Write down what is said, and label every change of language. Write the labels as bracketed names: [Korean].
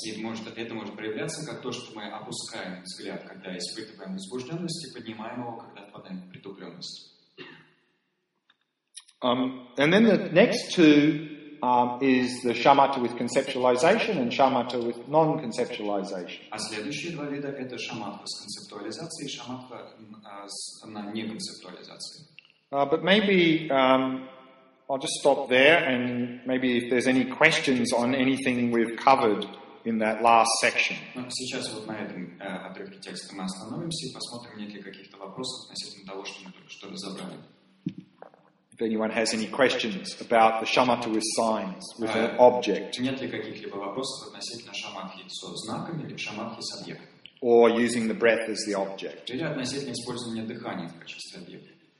[Russian] Это может проявляться как то, что мы опускаем взгляд, когда испытываем возбужденность, и поднимаем его, когда впадаем в притупленность. [English] And then the next two is the shamatha with conceptualization and shamatha with non-conceptualization. [Russian] А следующие два вида — это шаматха с концептуализацией и шаматха с неконцептуализацией. [English] But maybe I'll just stop there, and maybe if there's any questions on anything we've covered in that last section. [Russian] Сейчас вот на этом отрывке текста мы остановимся и посмотрим, нет ли каких-то вопросов относительно того, что мы только что разобрали. [English] If anyone has any questions about the shamatha with signs, with an object. [Russian] Нет ли каких-либо вопросов относительно шаматхи со знаками или шаматхи с объектом? [English] Or using the breath as the object. [Russian] Или относительно использования дыхания в качестве объекта.